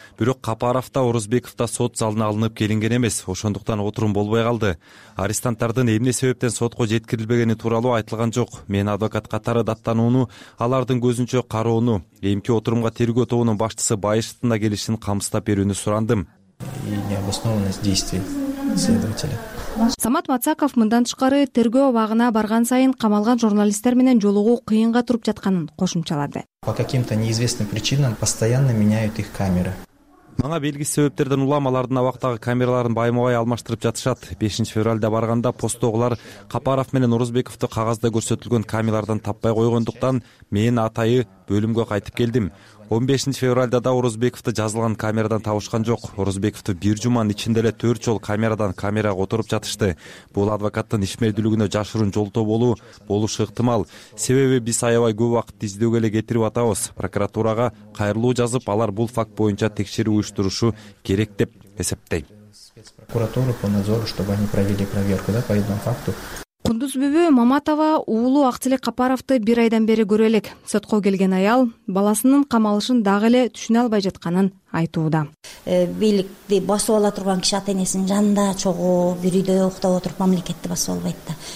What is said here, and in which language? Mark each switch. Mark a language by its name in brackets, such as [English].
[Kyrgyz] Бирок Капаров да Орозбеков да сот залына алынып келинген эмес, ошондуктан отурум болбой калды. Арестанттардын эмне себептен сотко жеткирилбегени тууралуу айтылган жок. Мен адвокат катары даттанууну, алардын көзүнчө кароону, эмки отурумга тергөө тобунун башчысы Байыштын да келишин камсыздап берүүнү сурандым. [Russian] И необоснованность действий следователя. [Kyrgyz] Самат Мацаков мындан тышкары тергөө абагына барган сайын камалган журналисттер менен жолугуу кыйынга туруп жатканын кошумчалады. [Russian] По каким-то неизвестным причинам постоянно меняют их камеры. [Kyrgyz] Мага белгисиз себептерден улам алардын абактагы камераларын байма-бай алмаштырып жатышат. 5 февралда барганда посттогулар Капаров менен Орозбековду кагазда көрсөтүлгөн камералардан таппай койгондуктан мен атайы бөлүмгө кайтып келдим. 15 февралда да Орозбековду жазылган камерадан табышкан жок. Орозбековду бир жуманын ичинде эле 4 жол камерадан камерага отуруп жатышты. Бул адвокаттын ишмердүүлүгүнө жашыруун жолтоо болушу ыктымал. Себеби биз аябай көп убакытты издөөгө эле кетирип атабыз. Прокуратурага кайрылуу жазып, алар бул факт боюнча текшерүү уюштурушу керек деп эсептейм. [Russian] Спецпрокуратура по надзору, чтобы они провели проверку, да, по этому факту. [Kyrgyz] Кундуз Бүбү Маматова уулу Актилек Капаровту бир айдан бери көрө элек. Сотко келген аял баласынын камалышын дагы эле түшүнө албай жатканын айтууда. Бийликти басып ала турган киши ата энесинин жанында чогуу бир үйдө уктап отуруп мамлекетти басып албайт да.